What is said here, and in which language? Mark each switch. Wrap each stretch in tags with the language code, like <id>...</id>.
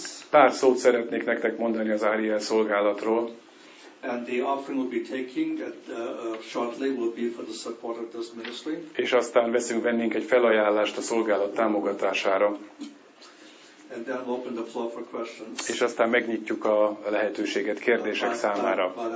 <hu>Pár szót szeretnék nektek mondani az Ariel szolgálatról.</hu> <en>And the offering we'll be taking at, shortly will be for the support of this ministry.</en> <hu>És aztán veszünk vennénk egy felajánlást a szolgálat támogatására.</hu> <en>And then we'll open the floor for questions.</en> <hu>És aztán megnyitjuk a lehetőséget kérdések számára.</hu>